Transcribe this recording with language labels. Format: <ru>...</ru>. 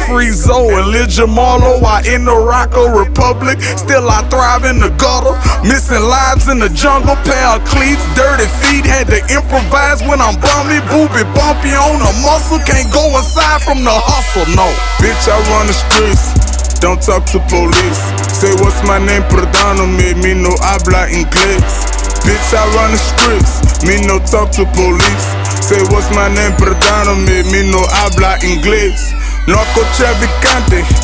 <en>Free Zoe and Lil Jamalo, I in the Rocko Republic. Still I thrive in the gutter, missing lives in the jungle. Pair of cleats, dirty feet, had to improvise when I'm bummy. Booby bumpy on a muscle, can't go aside from the hustle, no. Bitch, I run the streets, don't talk to police. Say what's my name,</en> <es>perdono me, me no habla inglés.</es> <en>Bitch, I run the streets, me no talk to police. Say what's my name,</en> <es>perdono me, me no habla inglés. Narcotraficante,</es>